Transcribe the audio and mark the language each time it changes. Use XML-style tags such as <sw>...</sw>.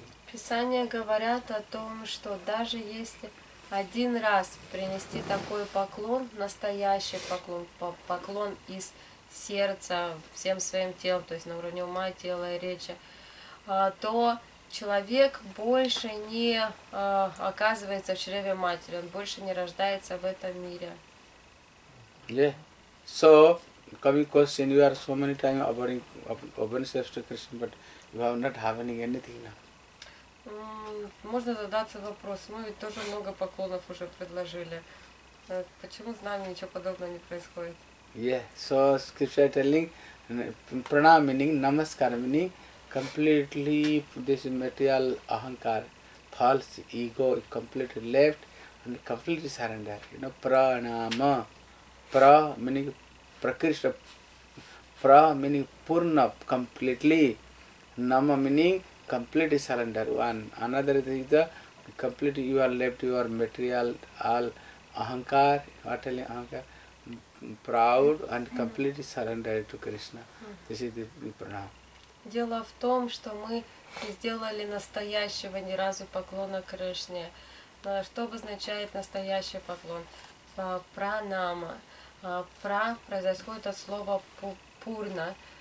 <ru>Писания говорят о том, что даже если один раз принести такой поклон, настоящий поклон, поклон из сердца всем своим телом, то есть на уровне ума, тела и речи, то человек больше не оказывается в чреве матери, он больше не рождается в этом мире.</ru> <en>Yeah. So, coming question, you are so many times offering obeisance to Krishna, but you are not having anything now.</en> <ru>Можно задаться вопрос. Мы ведь тоже много поклонов уже предложили. Почему с нами ничего подобного не происходит?</ru> <en>Yeah, so scripture telling, pranam meaning, namaskar meaning, completely this material ahankar, false ego is completely left and completely surrender. You know, pranama, pra meaning prakrishna, pra meaning purna, completely. Nama meaning complete surrender. One another is the complete you are left your material all ahankar, what is ahankar, proud and completely surrender to Krishna. This is the pranam.</en> <ru>Дело в том, что мы сделали настоящего ни разу поклона Кришне. Что обозначает настоящий поклон? Пранама. Пра происходит от слова пурна.</ru>